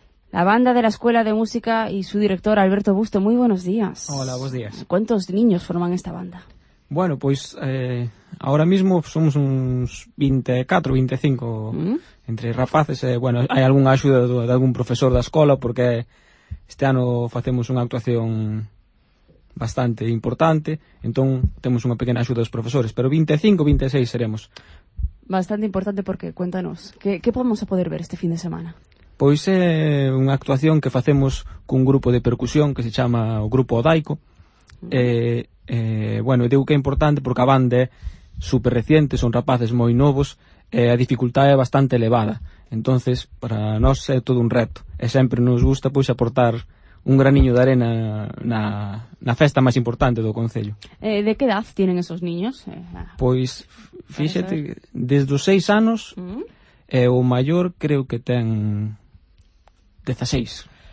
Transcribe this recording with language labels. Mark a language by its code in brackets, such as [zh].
[es] La banda de la Escuela de Música y su director, Alberto Busto, muy buenos días. Hola, buenos días. ¿Cuántos niños forman esta banda? Bueno, pues ahora mismo somos uns 24, 25 entre rapaces. Bueno, hay alguna ayuda de algún profesor de la escuela, porque [gl] Este ano facemos unha actuación bastante importante, entón temos unha pequena axuda dos profesores, pero 25, 26 seremos. Bastante importante porque, cuéntanos, que podemos a poder ver este fin de semana? Pois é unha actuación que facemos cun grupo de percusión que se chama o Grupo Odaico. Bueno, digo que é importante porque a banda é super reciente, son rapaces moi novos, a dificultade é bastante elevada. Entonces, para nós é todo un reto. E sempre nos gusta pois aportar un graniño de arena na festa máis importante do concello. [es] De que edad tienen esos niños? [gl] Pois, fíxate, desde os 6 anos, o maior creo que ten 16.